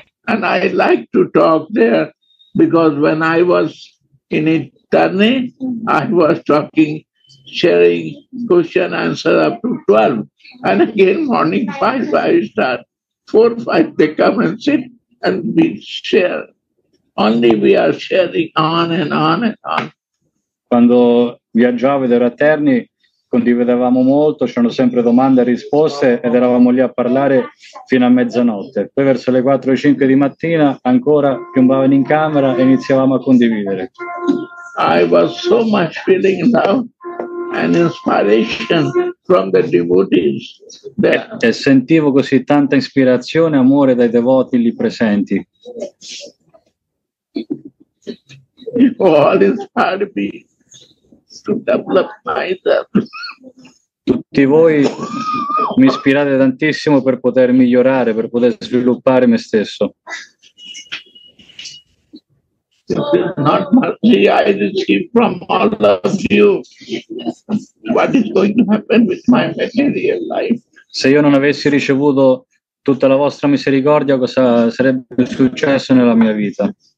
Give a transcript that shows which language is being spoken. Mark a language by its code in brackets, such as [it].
[en] And I like to talk there because when I was in Italy, I was talking, sharing question answer up to 12. And again, morning 5 start. 4, 5, they come and sit and we share. Only we are sharing on and on and on. [it] Quando viaggiavo ed ero a Terni, condividevamo molto, c'erano sempre domande e risposte ed eravamo lì a parlare fino a mezzanotte. Poi verso le 4 o 5 di mattina ancora piombavano in camera e iniziavamo a condividere. [en] I was so much feeling love and inspiration from the devotees. [it] E sentivo così tanta ispirazione e amore dai devoti lì presenti. [en] You all inspired me to develop myself. [it] Tutti voi mi ispirate tantissimo per poter migliorare, per poter sviluppare me stesso. [en] This is not mercy I receive from all of you. What is going to happen with my material life? [it] Se io non avessi ricevuto tutta la vostra misericordia, cosa sarebbe successo nella mia vita?